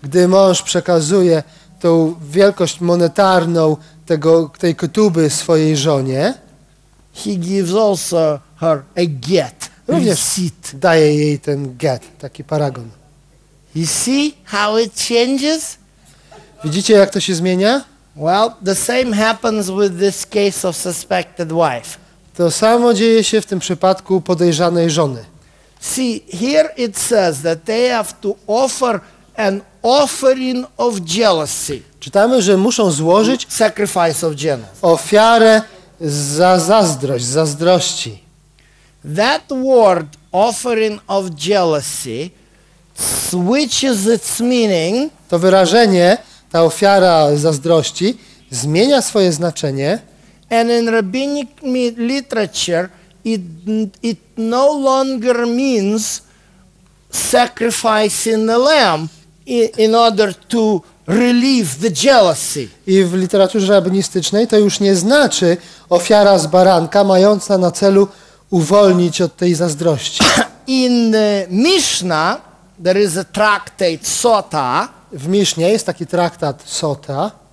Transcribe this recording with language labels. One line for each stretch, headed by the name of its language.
Polish: gdy mąż przekazuje tą wielkość monetarną tej ketuby swojej żonie,
English: he gives also her a get,
Polish: również
English: receipt.
Polish: Daje jej ten get, taki paragon.
English: You see how it changes?
Polish: Widzicie, jak to się zmienia?
English: Well, the same happens with this case of suspected wife.
Polish: To samo dzieje się w tym przypadku podejrzanej żony.
English: See, here it says that they have to offer an offering of jealousy.
Polish: Czytamy, że muszą złożyć
English: sacrifice of jealousy.
Polish: Ofiarę za zazdrość, zazdrości.
English: That word offering of jealousy switches its meaning.
Polish: To wyrażenie, ta ofiara zazdrości, zmienia swoje znaczenie.
English: And in rabbinic literature it no longer means sacrificing the lamb in order to relieve the jealousy.
Polish: I w literaturze rabbinistycznej to już nie znaczy ofiara z baranka mająca na celu uwolnić od tej zazdrości.
English: In Mishnah there is a tractate Sota.
Polish: W Misznie jest taki traktat Sota.